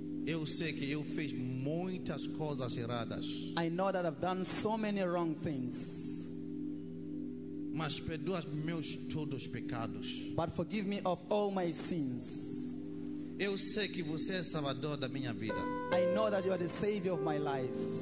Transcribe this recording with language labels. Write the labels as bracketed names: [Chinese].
[Portuguese] Eu sei que eu fiz muitas coisas erradas. [English] I know that I've done so many wrong things. [Portuguese] Mas perdoa meus todos pecados. [English] But forgive me of all my sins. [Portuguese] Eu sei que você é salvador da minha vida. [English] I know that you are the savior of my life.